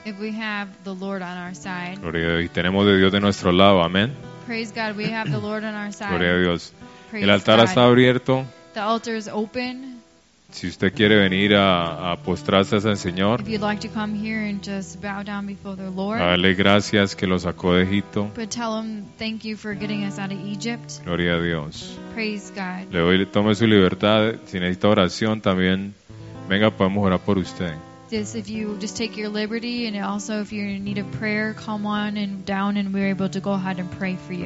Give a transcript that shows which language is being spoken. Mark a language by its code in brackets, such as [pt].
[en] If we have the Lord on our side. [es] Gloria a Dios. Y tenemos de Dios de nuestro lado. Amén. [en] Praise God, we have the Lord on our side. [es] Gloria a Dios. [en] Praise [es] el altar [en] God. [es] Está abierto. [en] The altar is open. [es] Si usted quiere venir a postrarse al Señor. [en] If you'd like to come here and just bow down before the Lord. [es] Dale gracias que lo sacó de Egipto. [en] But tell him thank you for getting us out of Egypt. [es] Gloria a Dios. [en] Praise God. [es] Le doy, tome su libertad. Si necesita oración también, venga, podemos orar por usted. [en] Just if you just take your liberty, and also if you're in need of prayer, come on and down, and we're able to go ahead and pray for you.